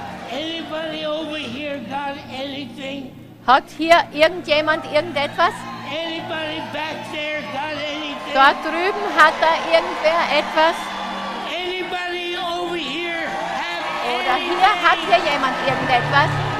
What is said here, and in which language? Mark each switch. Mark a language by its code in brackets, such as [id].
[en] Anybody over here got anything? [de] Hat hier irgendjemand irgendetwas? [en] Anybody back there got anything? [de] Dort drüben hat da irgendwer etwas? [en] Anybody over here? [de] Oder hier hat hier jemand irgendetwas?